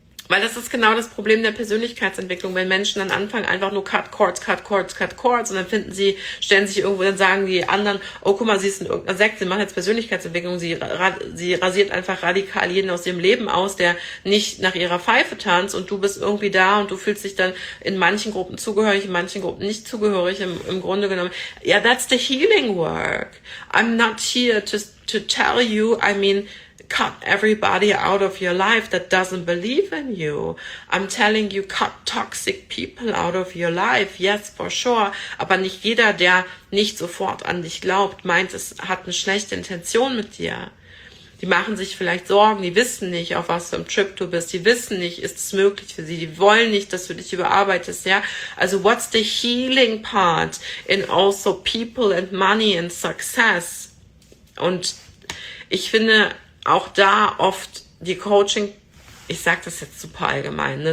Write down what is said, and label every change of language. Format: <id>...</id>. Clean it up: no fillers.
<de>Weil das ist genau das Problem der Persönlichkeitsentwicklung, wenn Menschen dann anfangen, einfach nur</de> <en>cut cords,</en> <de>und dann finden sie, stellen sich irgendwo, dann sagen die anderen, oh, guck mal, sie ist in irgendeiner Sekte, sie macht jetzt Persönlichkeitsentwicklung, sie rasiert einfach radikal jeden aus ihrem Leben aus, der nicht nach ihrer Pfeife tanzt, und du bist irgendwie da, und du fühlst dich dann in manchen Gruppen zugehörig, in manchen Gruppen nicht zugehörig, im Grunde genommen.</de> <en>Yeah, that's the healing work. I'm not here to tell you, I mean, cut everybody out of your life that doesn't believe in you. I'm telling you, cut toxic people out of your life. Yes, for sure.</en> <de>Aber nicht jeder, der nicht sofort an dich glaubt, meint, es hat eine schlechte Intention mit dir. Die machen sich vielleicht Sorgen, die wissen nicht, auf was für einem Trip du bist, die wissen nicht, ist es möglich für sie, die wollen nicht, dass du dich überarbeitest, ja.</de> <en>Also what's the healing part in also people and money and success?</en> <de>Und ich finde auch da oft die Coaching, ich sage das jetzt super allgemein, ne?</de>